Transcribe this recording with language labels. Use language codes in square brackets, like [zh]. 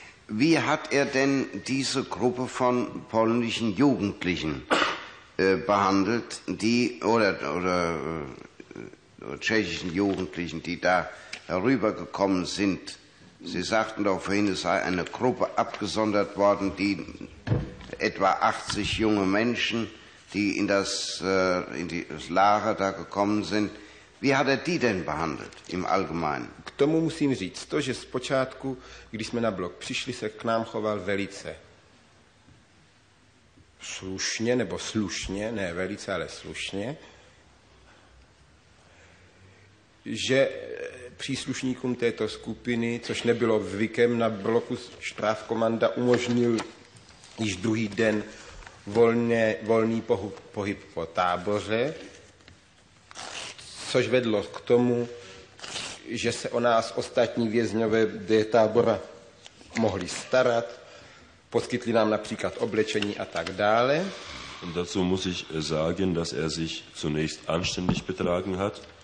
[de] Wie hat er denn diese Gruppe von polnischen Jugendlichen behandelt, die oder tschechischen Jugendlichen, die da herübergekommen sind? Sie sagten doch vorhin, es sei eine Gruppe abgesondert worden, die etwa 80 junge Menschen, die in das Lager da gekommen sind. Wie hat er die denn behandelt im Allgemeinen? [cs] K tomu musím říct to, že zpočátku, když jsme na blok přišli, se k nám choval velice slušně, nebo slušně, ne velice, ale slušně, že příslušníkům této skupiny, což nebylo zvykem na bloku, strafkomanda umožnil již druhý den volný pohyb po táboře, což vedlo k tomu, že se o nás ostatní vězňové tábora mohli starat, poskytli nám například oblečení a tak dále. [de] Und dazu muss ich sagen, dass er sich zunächst anständig betragen hat.